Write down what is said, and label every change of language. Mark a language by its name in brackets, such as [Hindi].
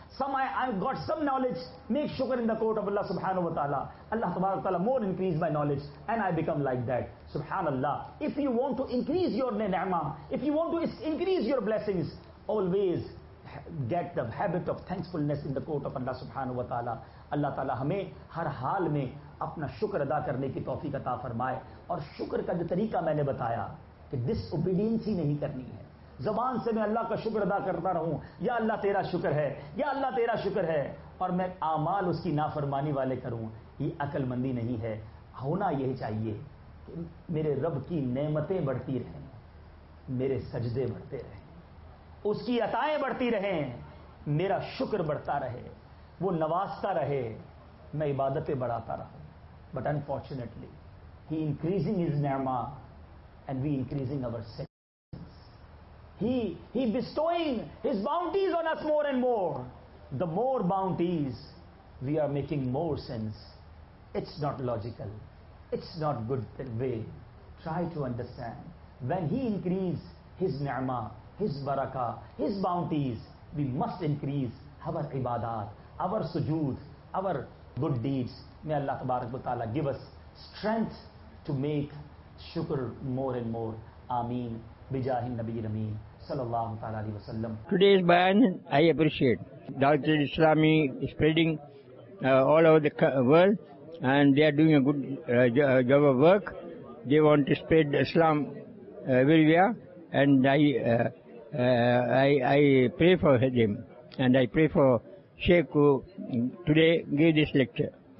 [English] I got some knowledge, make shukr in the court of Allah subhanahu wa ta'ala, Allah tabarak wa ta'ala more increase my knowledge and I become like that. Subhanallah. If you want to increase your ni'mah, if you want to increase your blessings, always get the habit of thankfulness in the court of Allah subhanahu wa ta'ala. [Urdu] Allah ta'ala ہمیں ہر حال میں اپنا شکر ادا کرنے کی توفیق عطا فرمائے. اور شکر کا جو طریقہ میں نے بتایا کہ ڈس اوبیڈینس ہی نہیں کرنی ہے, زبان سے میں اللہ کا شکر ادا کرتا رہوں, یا اللہ تیرا شکر ہے, یا اللہ تیرا شکر ہے, اور میں اعمال اس کی نافرمانی والے کروں, یہ عقل مندی نہیں ہے. ہونا یہ چاہیے کہ میرے رب کی نعمتیں بڑھتی رہیں, میرے سجدے بڑھتے رہیں, اس کی عطائیں بڑھتی رہیں, میرا شکر بڑھتا رہے, وہ نوازتا رہے, میں عبادتیں بڑھاتا رہوں. [English] But unfortunately he increasing his نعمہ and we increasing our self. He bestowing his bounties on us more and more. The more bounties, we are making more sins. It's not logical. It's not good way. Try to understand. When he increase his ni'mah, his barakah, his bounties, we must increase our ibadat, our sujood, our good deeds. May Allah tabarak wa ta'ala give us strength to make shukr more and more. Ameen. [Arabic] بجاہ النبی الامین صلی اللہ تعالیٰ علیہ وسلم. [English] Today's bayan I appreciate. Dawat al-Islami spreading all over the world and they are doing a good job of work. They want to spread Islam everywhere and I pray for them and I pray for Sheikh who today gave this lecture.